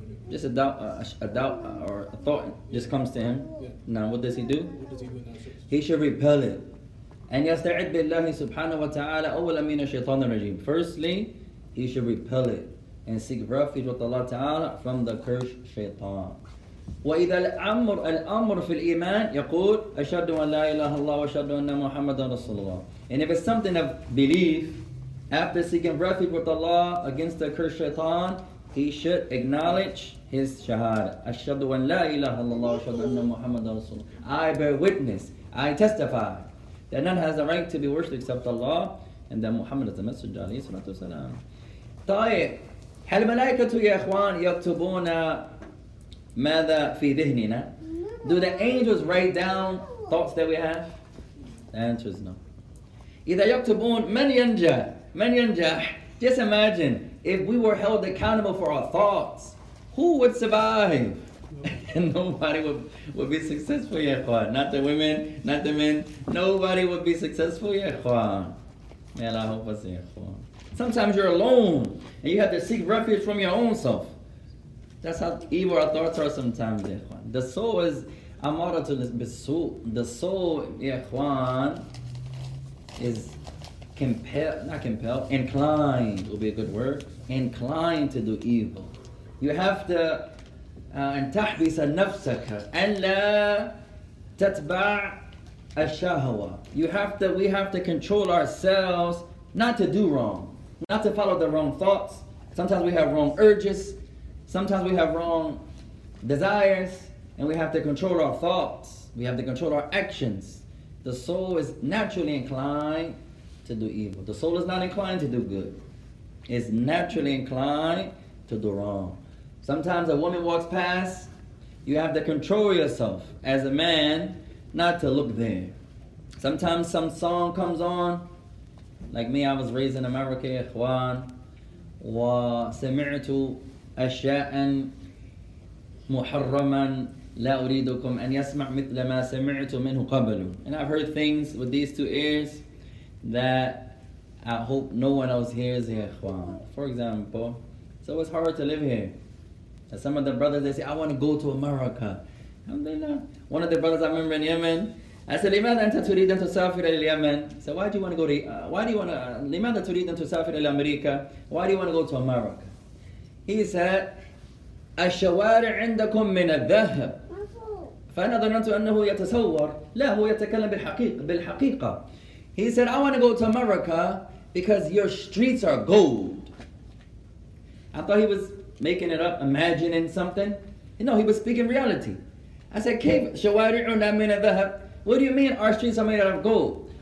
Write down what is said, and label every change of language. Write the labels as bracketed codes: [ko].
[en] Just a doubt, or a thought just comes to him. Yeah. Now, what does he do? He should repel it. And firstly, he should repel it and seek refuge with Allah Ta'ala from the curse shaitan. [ar] وإذا الأمر في الإيمان يقول أشهد أن لا إله إلا الله وأشهد أن محمدا رسول الله. [en] And if it's something of belief, after seeking refuge with Allah against the cursed shaitan, he should acknowledge his shahada. [ar] أشهد أن لا إله إلا الله وأشهد أن محمدا رسول الله. [en] I bear witness, I testify that none has the right to be worshipped except Allah and that Muhammad is the Messenger عليه الصلاة والسلام. [ar] طيب هل الملائكة يا إخوان يكتبون ماذا في ذهننا؟ [en] Do the angels write down thoughts that we have? The answer is no. [ar] إذا يكتبون من ينجح؟ من ينجح؟ [en] Just imagine if we were held accountable for our thoughts, who would survive? Nobody would be successful, ya ikhwan. Not the women, not the men. Nobody would be successful, ya ikhwan. May Allah help us, ya ikhwan. Sometimes you're alone and you have to seek refuge from your own self. That's how evil our thoughts are sometimes, ya ikhwan. The soul is amara to bisu. The soul, ya ikhwan, is inclined would be a good word. Inclined to do evil. You have to [ar] أن تحبس نفسك أن لا تتبع الشهوة. [en] We have to control ourselves not to do wrong, not to follow the wrong thoughts. Sometimes we have wrong urges, sometimes we have wrong desires, and we have to control our thoughts. We have to control our actions. The soul is naturally inclined to do evil. The soul is not inclined to do good. It's naturally inclined to do wrong. Sometimes a woman walks past, you have to control yourself as a man not to look there. Sometimes some song comes on, like me, I was raised in America, [ar] إخوان, وسمعت أشياء محرما لا أريدكم أن يسمع مثل ما سمعت منه قبل. [en] And I've heard things with these two ears that I hope no one else hears, إخوان. For example, so it's hard to live here. Some of the brothers, they say, I want to go to America. Alhamdulillah. One of the brothers I remember in Yemen, I said, [ar] لماذا أنت تريد أن تسافر إلى اليمن? [en] He said, why do you want to go to, [ar] لماذا تريد أن تسافر إلى أمريكا? [en] Why do you want to go to America? He said, [ar] الشوارع عندكم من الذهب. فأنا ظننت أنه يتصور. لا, هو يتكلم بالحقيقة. [en] He said, I want to go to America because your streets are gold. I thought he was making it up, imagining something. You know, he was speaking reality. I said, [ar] كيف شوارعنا من الذهب? [en] What do you mean our streets are made out of gold?